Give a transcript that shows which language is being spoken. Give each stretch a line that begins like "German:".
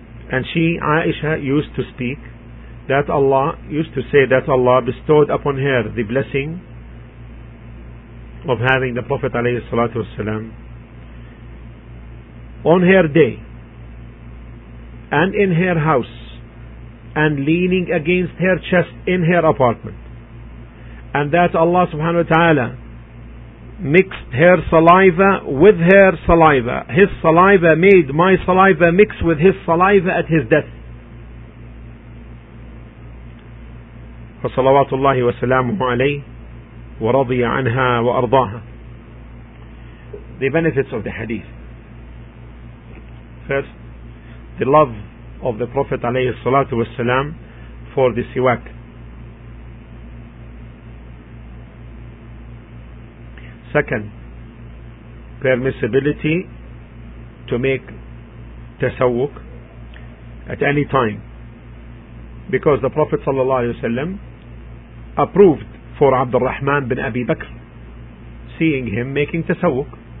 English: And she, Aisha, used to speak that Allah, used to say that Allah bestowed upon her the blessing of having the Prophet alayhi salatu wasalam on her day and in her house and leaning against her chest in her apartment, and that Allah subhanahu wa ta'ala mixed her saliva with her saliva. His saliva made my saliva mix with his saliva at his death.
Arabic: فصلوات الله وسلامه عليه ورضي عنها وأرضاها.
English: The benefits of the hadith. First, the love of the Prophet عليه الصلاة والسلام for the siwak. Second, permissibility to make tasawwuk at any time, because the Prophet ﷺ approved for Abd al-Rahman bin Abi Bakr seeing him making tasawwuk.